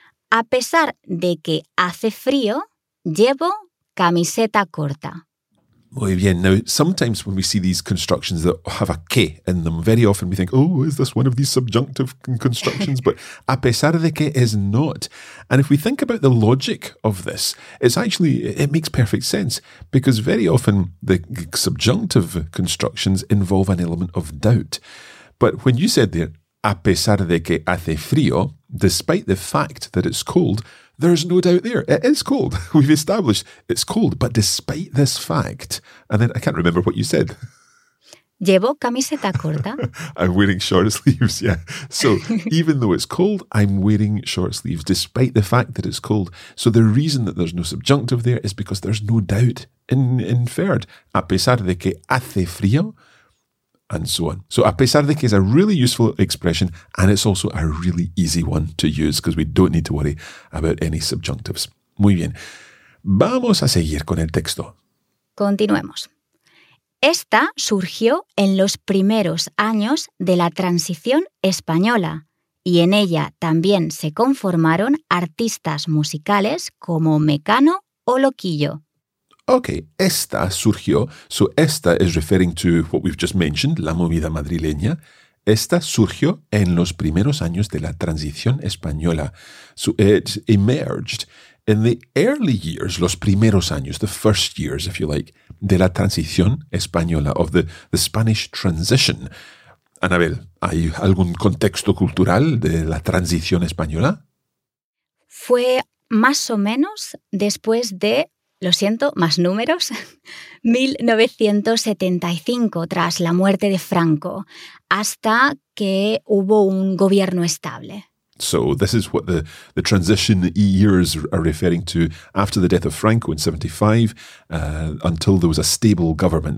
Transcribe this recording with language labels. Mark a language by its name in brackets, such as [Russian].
[Spanish] A pesar de que hace frío, llevo camiseta corta. Muy bien. [English] Now, sometimes when we see these constructions that have a que in them, very often we think, oh, is this one of these subjunctive constructions? But a pesar de que is not. And if we think about the logic of this, it makes perfect sense, because very often the subjunctive constructions involve an element of doubt. But when you said there, [Spanish] a pesar de que hace frío, [English] despite the fact that it's cold, there's no doubt there. It is cold. We've established it's cold, but despite this fact, and then I can't remember what you said. [Spanish] Llevo camiseta corta. [English] I'm wearing short sleeves, yeah. So even though it's cold, I'm wearing short sleeves, despite the fact that it's cold. So the reason that there's no subjunctive there is because there's no doubt inferred. [Spanish] A pesar de que hace frío, [English] and so on. So [Spanish] a pesar de que [English] is a really useful expression, and it's also a really easy one to use because we don't need to worry about any subjunctives. [Spanish] Muy bien. Vamos a seguir con el texto. Continuemos. Esta surgió en los primeros años de la transición española y en ella también se conformaron artistas musicales como Mecano o Loquillo. [English] Okay, [Spanish] esta surgió. [English] So esta is referring to what we've just mentioned, [Spanish] la movida madrileña. Esta surgió en los primeros años de la transición española. [English] So it emerged in the early years, [Spanish] los primeros años, [English] the first years, if you like, [Spanish] de la transición española, [English] of the Spanish transition. [Spanish] Anabel, ¿hay algún contexto cultural de la transición española? Fue más o menos después de, lo siento, más números, 1975, tras la muerte de Franco, hasta que hubo un gobierno estable. [English] So this is what the transition years are referring to, after the death of Franco in 75, until there was a stable government.